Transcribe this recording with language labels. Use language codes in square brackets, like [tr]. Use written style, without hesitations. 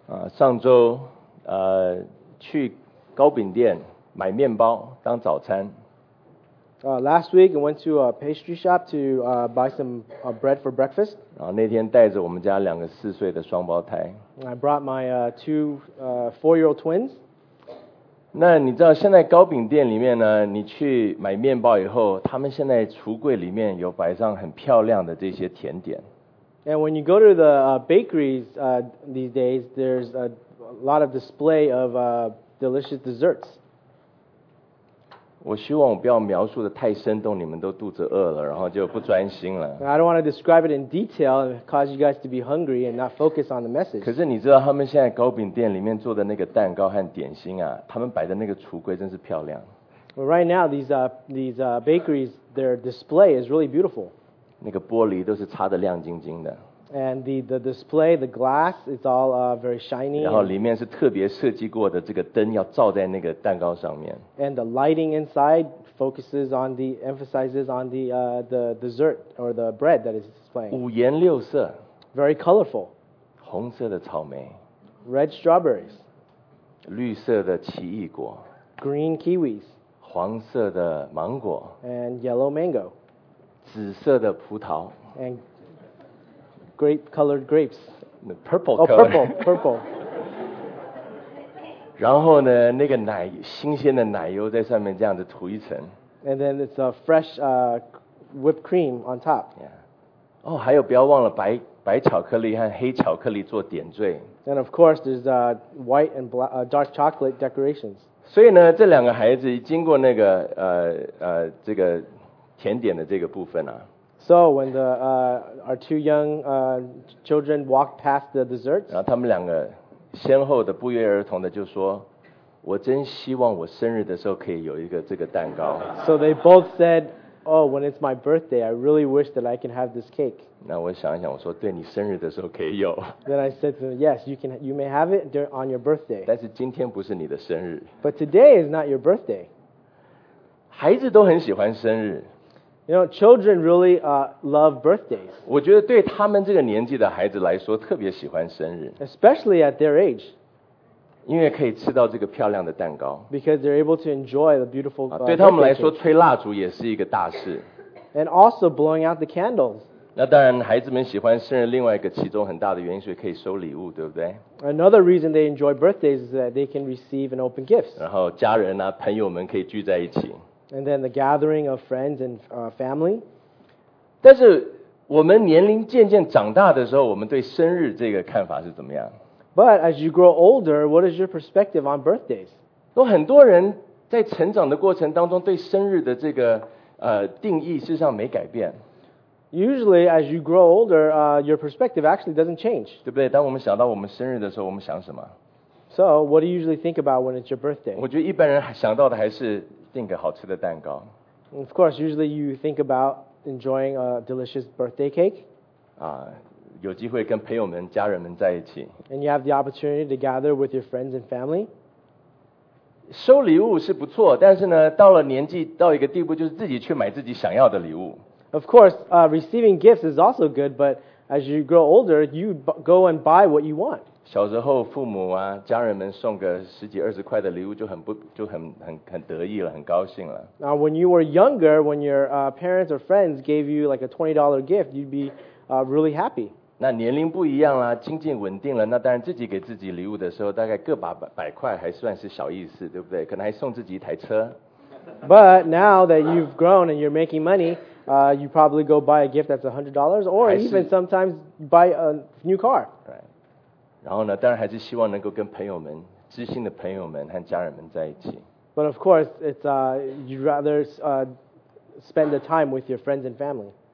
[zh] 上周去糕饼店买面包当早餐。 [en] Last week I went to a pastry shop to buy some bread for breakfast. [zh] 然后那天带着我们家两个四岁的双胞胎。 [en] I brought my two four-year-old twins. [zh] 那你知道现在糕饼店里面呢，你去买面包以后，他们现在橱柜里面有摆上很漂亮的这些甜点。 [en] And when you go to the bakeries these days, there's a lot of display of delicious desserts. [zh] 我希望我不要描述的太生动，你们都肚子饿了，然后就不专心了。 [en] I don't want to describe it in detail and cause you guys to be hungry and not focus on the message. [zh] 可是你知道他们现在糕饼店里面做的那个蛋糕和点心啊，他们摆的那个橱柜真是漂亮。 [en] Well, right now, these bakeries, their display is really beautiful. [zh] 那个玻璃都是擦得亮晶晶的。 [en] And the display, the glass, it's all very shiny. [zh] 然后里面是特别设计过的，这个灯要照在那个蛋糕上面。 [en] And the lighting inside emphasizes on the dessert or the bread that is displaying. [zh] 五颜六色。 [en] Very colorful. [zh] 红色的草莓。 [en] Red strawberries. [zh] 绿色的奇异果。 [en] Green kiwis. [zh] 黄色的芒果。 [en] And yellow mango. [zh] 紫色的葡萄。 [en] And grape-colored grapes. Purple. [zh] 然后呢，那个奶，新鲜的奶油在上面这样子涂一层。 [en] And then it's a fresh whipped cream on top. Yeah. [zh] 还有不要忘了白巧克力和黑巧克力做点缀。 [en] And of course, there's white and black, dark chocolate decorations. [zh] 所以呢，这两个孩子经过那个这个甜点的这个部分啊。 [en] So when the our two young children walked past the desserts, [zh] 然后他们两个先后的不约而同的就说，我真希望我生日的时候可以有一个这个蛋糕。 [en] So they both said, "Oh, when it's my birthday, I really wish that I can have this cake." [zh] 那我想一想，我说对你生日的时候可以有。 [en] Then I said to them, "Yes, you may have it on your birthday." [zh] 但是今天不是你的生日。 [en] But today is not your birthday. [zh] 孩子都很喜欢生日。 [en] You know, children really love birthdays. [zh] 我觉得对他们这个年纪的孩子来说，特别喜欢生日。 [en] Especially at their age. [zh] 因为可以吃到这个漂亮的蛋糕。 [en] Because they're able to enjoy the beautiful. [zh] 对他们来说，吹蜡烛也是一个大事。 [en] And also blowing out the candles. [zh] 那当然，孩子们喜欢生日，另外一个其中很大的原因是可以收礼物，对不对？ [en] Another reason they enjoy birthdays is that they can receive and open gifts. [zh] 然后家人啊，朋友们可以聚在一起。 [en] And then the gathering of friends and family. [zh] 但是我们年龄渐渐长大的时候，我们对生日这个看法是怎么样？ [en] But as you grow older, what is your perspective on birthdays? [zh] 有很多人在成长的过程当中，对生日的这个定义事实上没改变。 [en] Usually, as you grow older, your perspective actually doesn't change. [zh] 对不对？当我们想到我们生日的时候，我们想什么？ [en] So, what do you usually think about when it's your birthday? [zh] 我觉得一般人想到的还是订个好吃的蛋糕。 [en] Of course, usually you think about enjoying a delicious birthday cake. [zh] 有机会跟朋友们、家人们在一起。 [en] And you have the opportunity to gather with your friends and family. [zh] 收礼物是不错，但是呢，到了年纪到一个地步，就是自己去买自己想要的礼物。 [en] Of course, receiving gifts is also good, but as you grow older, you go and buy what you want. [zh] 小时候父母啊家人们送个十几二十块的礼物就很得意了，很高兴了。 [en] Now when you were younger, when your parents or friends gave you like a $20 gift, you'd be really happy. [zh] 那年龄不一样啦，经济稳定了，那当然自己给自己礼物的时候大概个把百块还算是小意思，对不对？可能还送自己一台车。 [en] But now that you've grown and you're making money, you probably go buy a gift that's $100 or even sometimes buy a new car. Right. [zh] 然后呢，当然还是希望能够跟朋友们、知心的朋友们和家人们在一起。 [en] But of course, it's you'd rather spend the time with your friends and family.